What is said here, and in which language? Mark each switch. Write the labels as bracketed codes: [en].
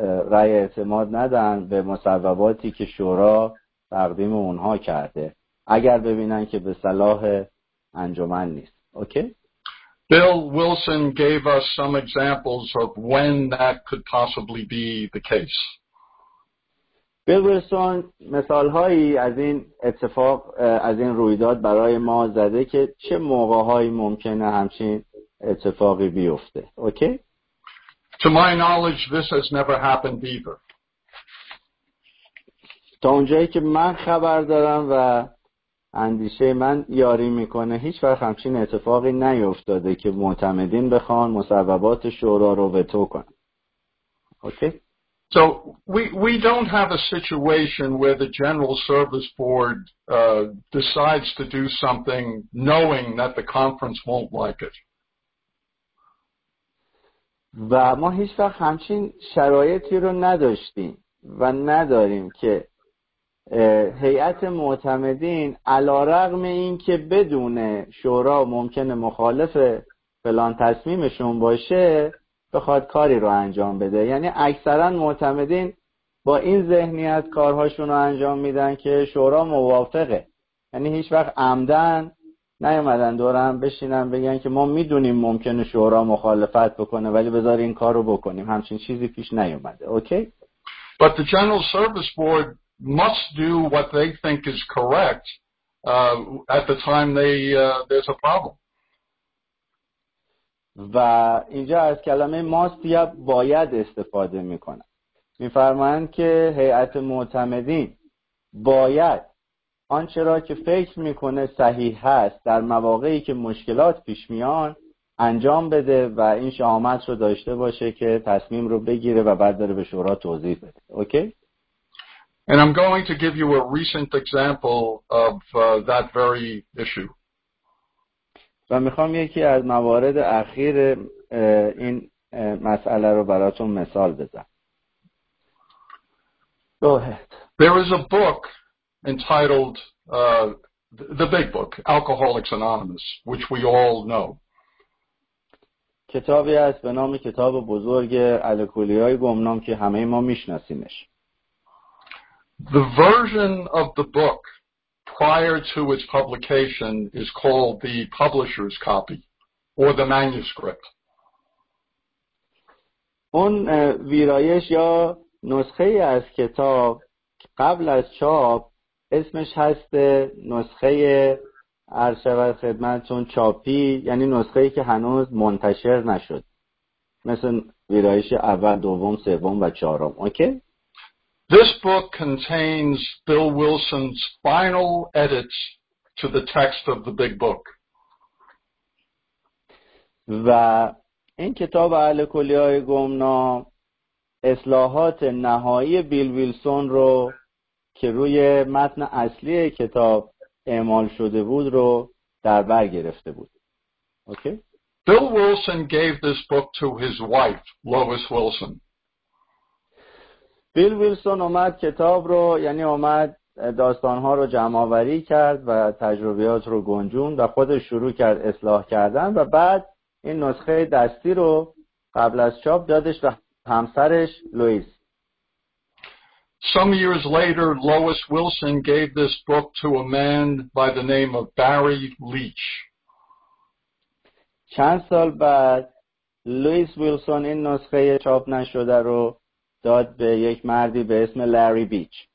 [fa] رأی اعتماد ندن به مصوباتی که شورا تقدیم اونها کرده اگر ببینن که به صلاح انجمن نیست. [en] Okay? Bill Wilson gave us some examples of when that could possibly be the case. [fa] Bill Wilson مثال‌هایی از این اتفاق از این رویداد برای ما زده که چه موقع‌هایی ممکنه همچین اتفاقی بیفته. [en] Okay? To my knowledge this has never happened either. [fa] تا اونجایی که من خبر دارم و اندیشه من یاری میکنه هیچ وقت همچین اتفاقی نیفتاده که معتمدین بخوان مصوبات شورا رو وتو کنن. [en] Okay? So we don't have a situation where the General Service Board decides to do something knowing that the conference won't like it. [fa] و ما هیچ وقت همچین شرایطی رو نداشتیم و نداریم که هیئت معتمدین علارغم این که بدون شورا ممکنه مخالف فلان تصمیمشون باشه بخواد کاری رو انجام بده. یعنی اکثرا معتمدین با این ذهنیت کارهاشون رو انجام میدن که شورا موافقه، یعنی هیچ وقت عمدن نیومدن دورم بشینن بگن که ما میدونیم ممکنه شورا مخالفت بکنه ولی بذار این کار رو بکنیم، همچین چیزی پیش نیومده. [en] Okay? But the General Service Board must do what they think is correct at the time there's a problem. [fa] و اینجا از کلمه ماست یا باید استفاده میکنن. میفرمایند که هیئت معتمدین باید آنچه را که فکر میکنه صحیح هست در مواقعی که مشکلات پیش میان انجام بده و این شهامت رو داشته باشه که تصمیم رو بگیره و بعد داره به شورا توضیح بده. [en] Okay? And I'm going to give you a recent example of that very issue. [fa] و میخوام یکی از موارد اخیر این مسئله رو براتون مثال بزن. [en] Go ahead. There is a book entitled The Big Book, Alcoholics Anonymous, which we all know. [fa] کتابی است به نام کتاب بزرگ الکلیای گمنام که همه ما میشناسیمش. [en] The version of the book prior to its publication is called the publisher's copy or the manuscript. [fa] اون ویرایش یا نسخه از کتاب قبل از چاپ اسمش هست نسخه ارشیوال خدمتتون چاپی، یعنی نسخه‌ای که هنوز منتشر نشد. مثل ویرایش اول، دوم، سوم و چهارم. [en] Okay? This book contains Bill Wilson's final edits to the text of the Big Book. [fa] و این کتاب الکلیای گمنام اصلاحات نهایی بیل ویلسون رو که روی متن اصلی کتاب اعمال شده بود رو در بر گرفته بود. [en] Okay? Bill Wilson gave this book to his wife, Lois Wilson. [fa] بیل ویلسون اومد کتاب رو، یعنی اومد داستانها رو جمع‌آوری کرد و تجربیات رو گنجوند و خودش شروع کرد اصلاح کردن و بعد این نسخه دستی رو قبل از چاپ دادش به همسرش لوئیس. [en] Some years later, Lois Wilson gave this book to a man by the name of Barry Leach. [fa] چند سال بعد لوئیس ویلسون این نسخه چاپ نشده رو داد به یک مردی به اسم لاری بیچ.